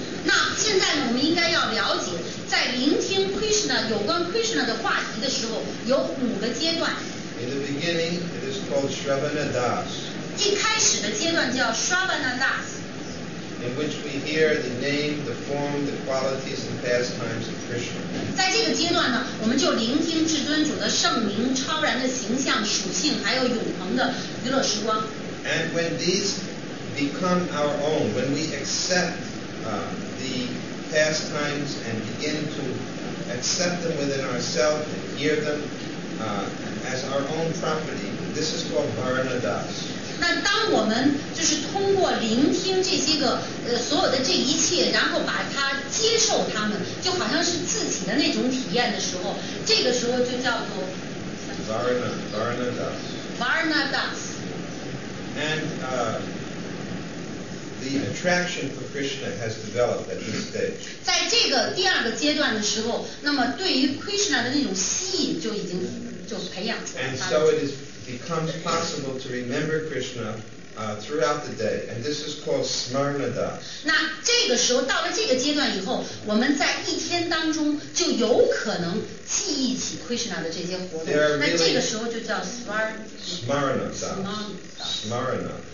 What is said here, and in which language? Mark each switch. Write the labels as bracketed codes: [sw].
[zh] 那现在我们应该要了解，在聆听 Krishna 有关 Krishna 的话题的时候，有5个阶段。 [en] In the beginning, it is called Shravana Das. [zh] 一开始的阶段叫 Shravana Das. [en] hear the name, the form, the qualities, and pastimes of Krishna. [zh] 在这个阶段呢，我们就聆听至尊主的圣名、超然的形象、属性，还有永恒的娱乐时光。 [en] And when these become our own, when we accept the pastimes and begin to accept them within ourselves and hear them as our own property, this is called Varanadas. [zh] 那当我们就是通过聆听这些个所有的这一切，然后把它接受他们，就好像是自己的那种体验的时候，这个时候就叫做 Varanadas. [en] And the attraction for Krishna has developed at this stage. [zh] 在这个第二个阶段的时候，那么对于 Krishna 的那种吸引就已经就培养出来了。 [en] And so it isbecomes possible to remember Krishna throughout the day, and this is called Smarnadas. [zh] 那这个时候到了这个阶段以后，我们在一天当中就有可能记忆起 Krishna 的这些活动。那这个时候就叫 Smarnadas.